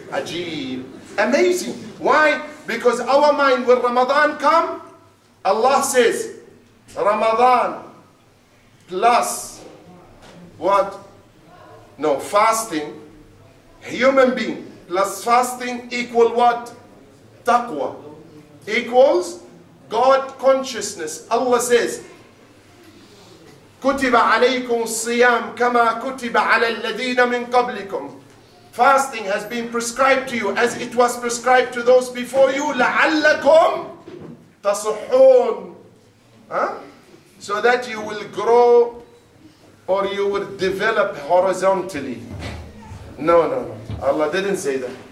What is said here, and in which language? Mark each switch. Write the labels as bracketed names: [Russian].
[English] Ajeeb. Amazing. Why? Because our mind, when Ramadan come, Allah says, Ramadan plus what? No, fasting. Human being plus fasting equal what? Taqwa. Equals God consciousness. Allah says, [Arabic] كُتِبَ عَلَيْكُمْ الصِّيَامُ كَمَا كُتِبَ عَلَى الَّذِينَ مِنْ قَبْلِكُمْ. [English] Fasting has been prescribed to you as it was prescribed to those before you. [Arabic] لَعَلَّكُمْ تَصُحُونَ. [English] So that you will grow or you will develop horizontally. No. Allah didn't say that.